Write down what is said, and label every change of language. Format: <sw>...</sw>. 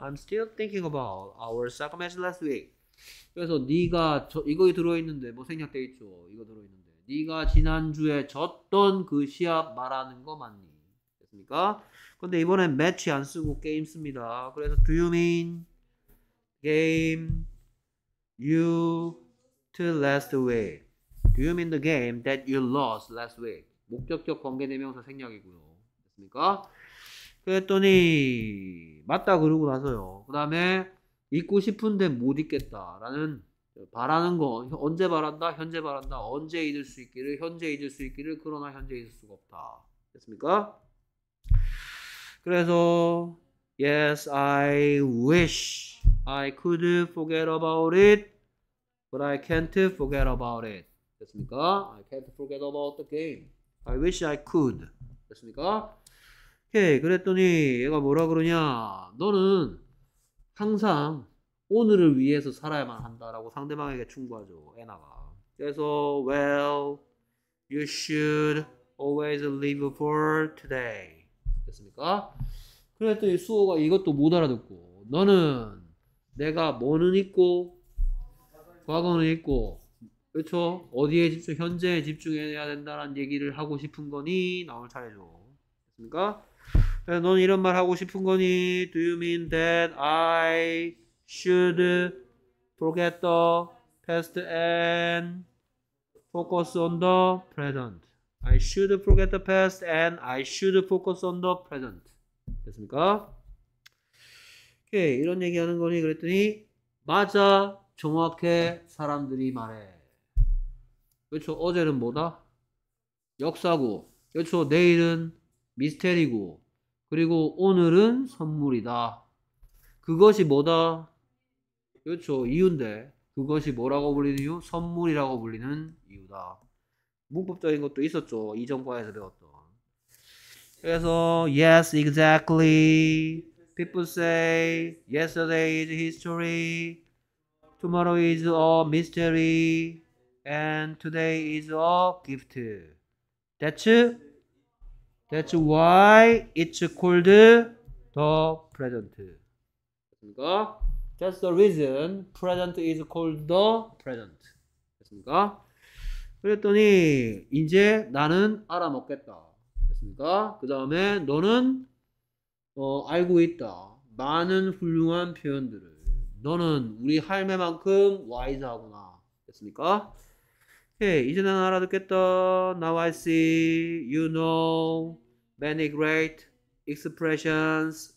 <en>I'm still thinking about our soccer match last week.</en> <ko>그래서 네가 이거 들어있는데 뭐 생략돼 있죠? 이거 들어있는데 네가 지난주에 졌던 그 시합 말하는 거 맞니? 됐습니까? 근데 이번엔 매치 안 쓰고 게임 씁니다.</ko> <en>그래서 Do you mean game you to last week? Do you mean the game that you lost last week?</en> <ko>목적격 관계대명사 생략이고요. 됐습니까? 그랬더니 맞다 그러고 나서요. 그 다음에 잊고 싶은데 못 잊겠다 라는 바라는 거 언제 바란다? 현재 바란다. 언제 잊을 수 있기를? 현재 잊을 수 있기를. 그러나 현재 잊을 수가 없다. 됐습니까? 그래서</ko> <en>Yes, I wish I could forget about it, but I can't forget about it.</en> <ko>됐습니까?</ko> <en>I can't forget about the game. I wish I could. 됐습니까?</en> <ko>오케이, 그랬더니 얘가 뭐라 그러냐. 너는 항상 오늘을 위해서 살아야만 한다라고 상대방에게 충고하죠, 에나가. 그래서</ko> <en>well, you should always live for today.</en> <ko>됐습니까? 그랬더니 수호가 이것도 못 알아듣고, 너는 내가 뭐는 있고 과거는 있고, 그렇죠? 어디에 집중, 현재에 집중해야 된다는 얘기를 하고 싶은 거니? 나올 차례죠. 됐습니까? 넌 이런 말 하고 싶은 거니?</ko> <en>Do you mean that I should forget the past and focus on the present? I should forget the past and I should focus on the present.</en> <ko>됐습니까? 오케이, 이런 얘기 하는 거니? 그랬더니 맞아, 정확해, 사람들이 말해. 그렇죠? 어제는 뭐다? 역사고, 그렇죠? 내일은 미스테리고, 그리고 오늘은 선물이다. 그것이 뭐다? 그렇죠? 이유인데, 그것이 뭐라고 불리는 이유? 선물이라고 불리는 이유다. 문법적인 것도 있었죠, 이전 과에서 배웠던. 그래서</ko> <en>yes, exactly. People say yesterday is history, tomorrow is a mystery, and today is a gift. That's why it's called the present.</en> <ko>됐습니까?</ko> <en>That's the reason present is called the present.</en> <ko>됐습니까? 그랬더니 이제 나는 알아먹겠다. 됐습니까? 그 다음에 너는 알고 있다. 많은 훌륭한 표현들을. 너는 우리 할매만큼 와이즈하구나. 됐습니까? 오케이, 이제 나는 알아듣겠다.</ko> <en>Now I see you know many great expressions.</en>